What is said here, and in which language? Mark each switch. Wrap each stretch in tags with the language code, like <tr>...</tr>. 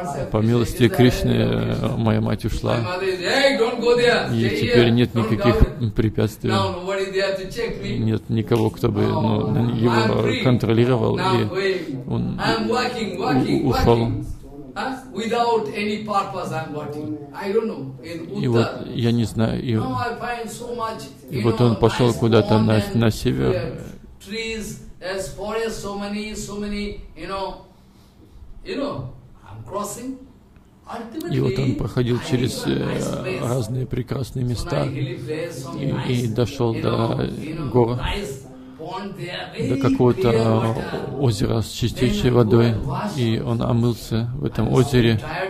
<ru>По милости Кришны моя мать ушла, и теперь нет никаких препятствий, нет никого, кто бы его контролировал, и он ушел.</ru> <en>Without any purpose, I'm working. I don't know.</en> <ru>И вот я не знаю. И вот он пошел куда-то на север.</ru> <en>There's forest, so many, you know, I'm crossing.</en> <ru>И вот он проходил через разные прекрасные места и дошел до гор, до какого-то озера с чистейшей водой, и он омылся в этом озере.</ru>